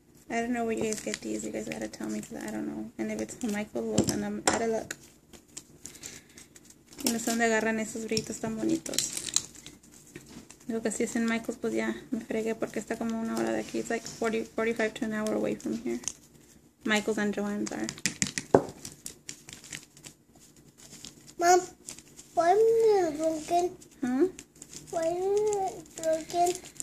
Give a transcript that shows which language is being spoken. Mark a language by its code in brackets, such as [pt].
[en] I don't know where you guys get these. You guys gotta tell me because I don't know. And if it's from Michael, well, then I'm out of luck. [es] Y no sé dónde agarran esos brillitos tan bonitos. Digo que si es en Michael's, pues ya me fregué porque está como una hora de aquí. [en] It's like 45 to an hour away from here. Michael's and Joanne's are. Mom, why is it broken? Huh? Why is it broken?